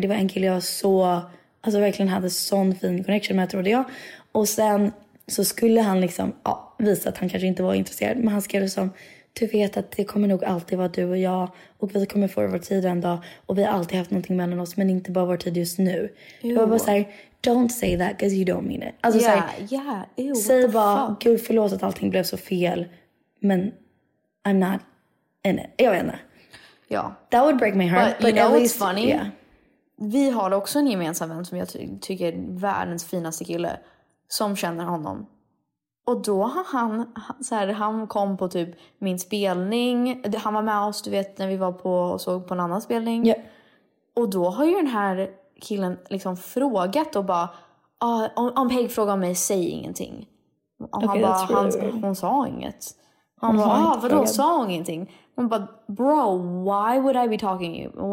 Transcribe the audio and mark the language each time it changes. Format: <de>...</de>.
<sv>Det var en kille jag så, alltså verkligen hade sån fin connection med, trodde jag. Och sen så skulle han liksom visa att han kanske inte var intresserad, men han skrev det som, du vet att det kommer nog alltid vara du och jag. Och vi kommer få vår tid en dag. Och vi har alltid haft någonting mellan oss. Men inte bara vår tid just nu. Det var bara såhär,</sv> <en>don't say that because you don't mean it.</en> <sv>Alltså yeah, såhär, yeah. Säg bara, fuck? Gud förlåt att allting blev så fel. Men</sv> <en>I'm not in it.</en> <sv>Jag vet inte. Yeah.</sv> <en>That would break my heart. But you know least, what's funny? Yeah.</en> <sv>Vi har också en gemensam vän som jag tycker är världens finaste kille. Som känner honom. Och då har han, så här, han kom på typ min spelning. Han var med oss, du vet, när vi var på och såg på en annan spelning. Yeah. Och då har ju den här killen liksom frågat och bara, om Peg frågar mig, säg ingenting. Och han bara, hon sa inget. Han bara, vadå, sa hon ingenting? Hon bara,</sv> <en>bro, why would I be talking to you?</en>